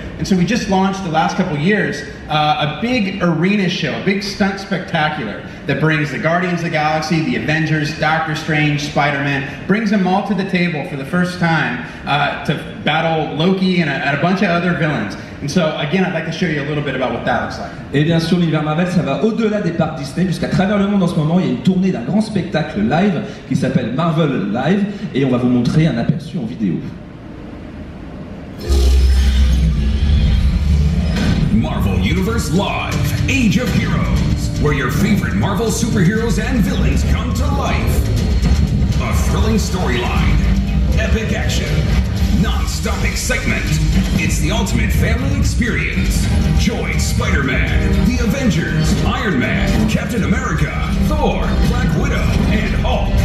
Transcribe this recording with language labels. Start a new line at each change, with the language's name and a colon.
English: And so we just launched the last couple years a big arena show, a big stunt spectacular that brings the Guardians of the Galaxy, the Avengers, Doctor Strange, Spider-Man, brings them all to the table for the first time to battle Loki and a bunch of other villains. And so, again, I'd like to show you a little bit about what that looks like.
French: Et bien sûr, l'univers Marvel, ça va au-delà des parcs Disney, puisqu'à travers le monde en ce moment, il y a une tournée d'un grand spectacle live qui s'appelle Marvel Live, et on va vous montrer un aperçu en vidéo.
English: Marvel Universe Live, Age of Heroes, where your favorite Marvel superheroes and villains come to life. A thrilling storyline, epic action, non-stop excitement. It's the ultimate family experience. Join Spider-Man, The Avengers, Iron Man, Captain America, Thor, Black Widow, and Hulk.